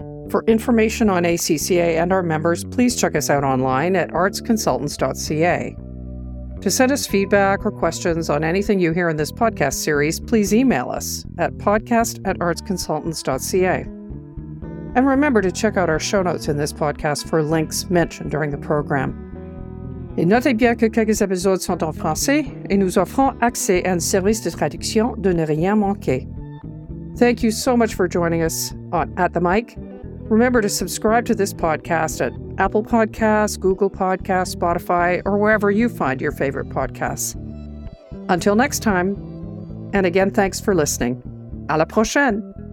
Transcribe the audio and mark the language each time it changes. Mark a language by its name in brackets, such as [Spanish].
[English] For information on ACCA and our members, please check us out online at artsconsultants.ca. To send us feedback or questions on anything you hear in this podcast series, please email us at podcast@artsconsultants.ca. And remember to check out our show notes in this podcast for links mentioned during the program. [French] Et notez bien que quelques épisodes sont en français et nous offrons accès à un service de traduction de ne rien manquer. [English] Thank you so much for joining us on At the Mic. Remember to subscribe to this podcast at Apple Podcasts, Google Podcasts, Spotify, or wherever you find your favorite podcasts. Until next time, and again, thanks for listening. [French] À la prochaine!